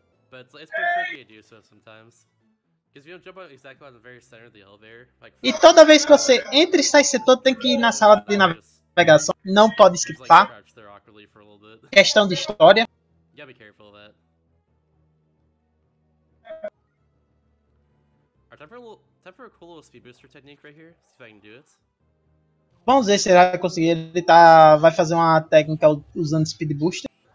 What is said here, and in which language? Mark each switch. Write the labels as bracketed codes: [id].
[en] But it's pretty tricky to do so sometimes. Because you don't jump out exactly on the very center of the elevator. [pt] E toda vez que você entra e sai setor, tem que ir na sala de navegação. Não pode skipar. Questão de história. [en] Gotta be careful of that. Alright, time for a cool little speed booster technique right here. See if I can do it. [pt] Vamos ver se ele vai conseguir. Ele vai fazer uma técnica usando speed booster.